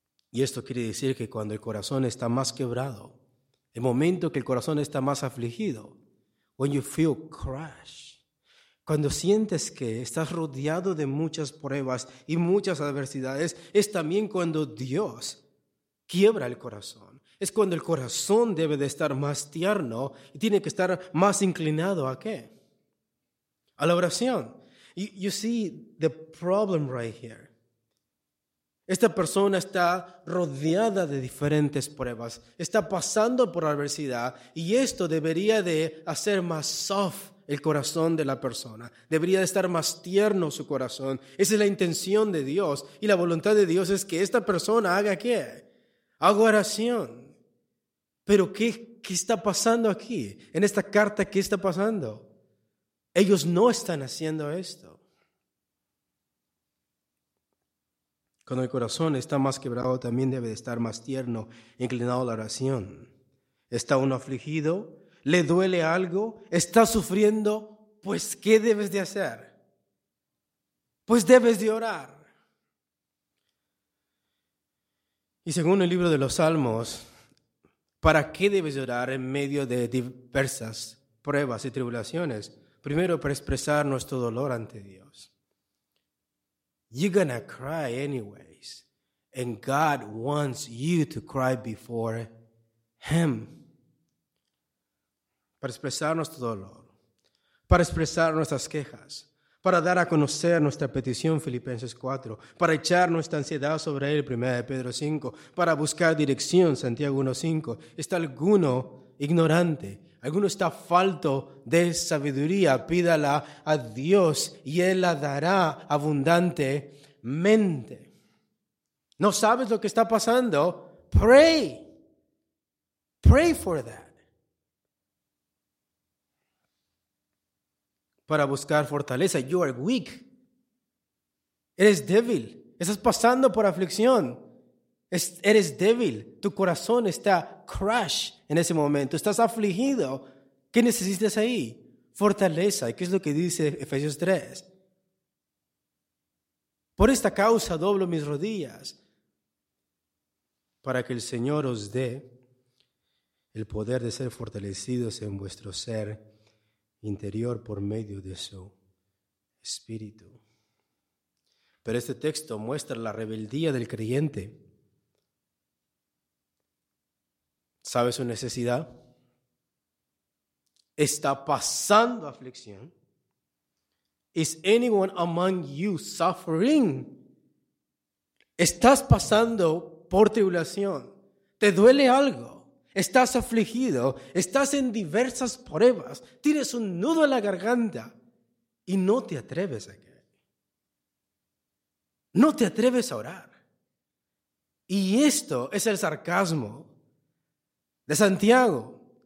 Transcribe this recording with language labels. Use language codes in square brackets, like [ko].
[es] Y esto quiere decir que cuando el corazón está más quebrado, el momento que el corazón está más afligido, [en] when you feel crushed, [es] cuando sientes que estás rodeado de muchas pruebas y muchas adversidades, es también cuando Dios quiebra el corazón. Es cuando el corazón debe de estar más tierno y tiene que estar más inclinado ¿a qué? A la oración. [en] You see the problem right here. [es] Esta persona está rodeada de diferentes pruebas, está pasando por adversidad, y esto debería de hacer más soft el corazón de la persona. Debería de estar más tierno su corazón. Esa es la intención de Dios. Y la voluntad de Dios es que esta persona haga ¿qué? Haga oración. ¿Pero qué está pasando aquí? En esta carta, ¿qué está pasando? Ellos no están haciendo esto. Cuando el corazón está más quebrado, también debe de estar más tierno, inclinado a la oración. Está uno afligido, ¿le duele algo? ¿Está sufriendo? Pues, ¿qué debes de hacer? Pues, debes de orar. Y según el libro de los Salmos, ¿para qué debes de orar en medio de diversas pruebas y tribulaciones? Primero, para expresar nuestro dolor ante Dios. [en] You're gonna cry anyways. And God wants you to cry before Him. [es] Para expresar nuestro dolor, para expresar nuestras quejas, para dar a conocer nuestra petición, Filipenses 4, para echar nuestra ansiedad sobre él, 1 Pedro 5, para buscar dirección, Santiago 1:5. ¿Está alguno ignorante? alguno está falto de sabiduría, pídala a Dios y Él la dará abundantemente. No sabes lo que está pasando, [en] pray. Pray for that. [es] Para buscar fortaleza, [en] you are weak. [es] Eres débil. Estás pasando por aflicción. Eres débil. Tu corazón está crash en ese momento. Estás afligido. ¿Qué necesitas ahí? Fortaleza. ¿Qué es lo que dice Efesios 3? Por esta causa doblo mis rodillas. Para que el Señor os dé el poder de ser fortalecidos en vuestro ser interior por medio de su espíritu. Pero este texto muestra la rebeldía del creyente. ¿Sabe su necesidad? Está pasando aflicción. [en] Is anyone among you suffering? [es] Estás pasando por tribulación. ¿Te duele algo? Estás afligido. Estás en diversas pruebas. Tienes un nudo en la garganta y no te atreves a qué. No te atreves a orar. Y esto es el sarcasmo de Santiago.